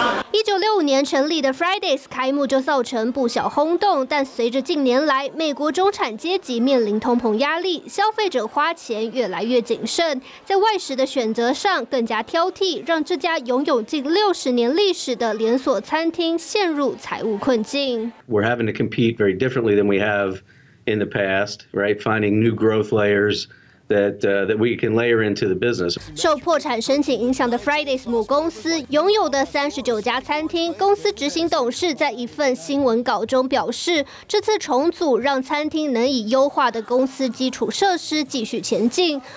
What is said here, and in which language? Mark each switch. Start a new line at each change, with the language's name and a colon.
Chinese: 1965年成立的 Fridays 开幕就造成不小轰动，但随着近年来美国中产阶级面临通膨压力，消费者花钱越来越谨慎，在外食的选择上更加挑剔，让这家拥有近60年历史的连锁餐厅陷入财务困境。
English: We're having to compete very differently than we have in the past, right? Finding new growth layers. That we can layer into the business.
Chinese: 受破产申请影响的 Fridays 母公司拥有的39家餐厅，公司执行董事在一份新闻稿中表示，这次重组让餐厅能以优化的公司基础设施继续前进。